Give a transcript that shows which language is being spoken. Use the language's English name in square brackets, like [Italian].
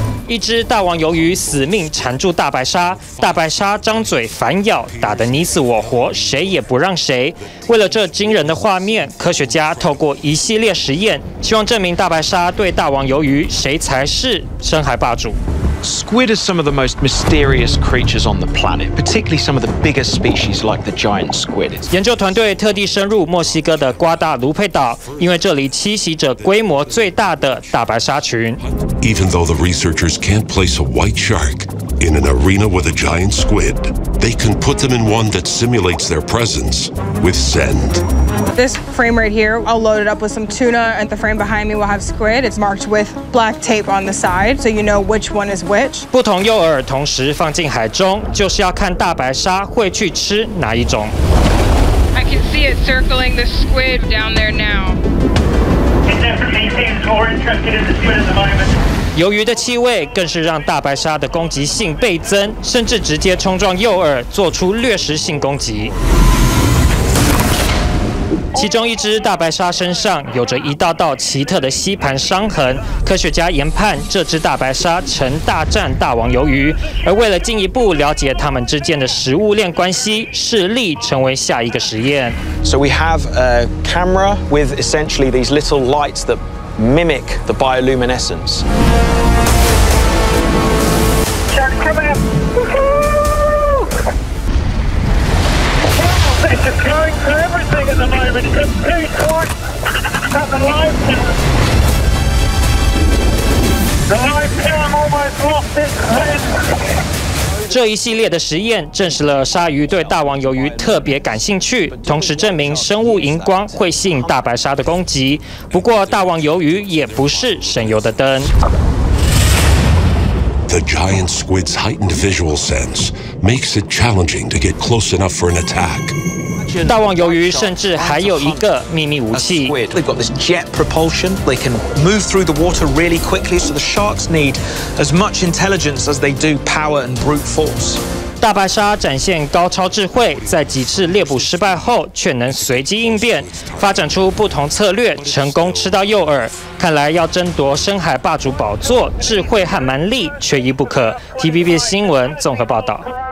[Chinese] 一只大王鱿鱼死命缠住大白鲨，大白鲨张嘴反咬，打得你死我活，谁也不让谁。为了这惊人的画面，科学家透过一系列实验，希望证明大白鲨对大王鱿鱼谁才是深海霸主。 [English] Squid is some of the most mysterious creatures on the planet, particularly some of the bigger species like the giant squid. [Chinese] 研究团队特地深入墨西哥的瓜达卢佩岛，因为这里栖息着规模最大的大白鲨群。 [English] Even though the researchers can't place a white shark in an arena with a giant squid, they can put them in one that simulates their presence with Zend. This frame right here, I'll load it up with some tuna, and the frame behind me will have squid. It's marked with black tape on the side, so you know which one is which. [Chinese] 不同诱饵同时放进海中，就是要看大白鲨会去吃哪一种。 [English] I can see it circling the squid down there now. [Chinese] 鱿鱼的气味更是让大白鲨的攻击性倍增，甚至直接冲撞诱饵，做出掠食性攻击。其中一只大白鲨身上有着一道道奇特的吸盘伤痕，科学家研判这只大白鲨曾大战大王鱿鱼，而为了进一步了解它们之间的食物链关系，视力成为下一个实验。 [English] So we have a camera with essentially these little lights that mimic the bioluminescence. [Chinese] 这一系列的实验证实了鲨鱼对大王鱿鱼特别感兴趣，同时证明生物荧光会吸引大白鲨的攻击。不过，大王鱿鱼也不是省油的灯。 [English] The giant squid's heightened visual sense makes it challenging to get close enough for an attack. [Chinese] 大王鱿鱼甚至还有一个秘密武器。 [English] They've got this jet propulsion. They can move through the water really quickly, so the sharks need as much intelligence as they do power and brute force. [Chinese] 大白鲨展现高超智慧，在几次猎捕失败后却能随机应变，发展出不同策略，成功吃到诱饵。看来要争夺深海霸主宝座，智慧和蛮力缺一不可。 TVB 新闻综合报道。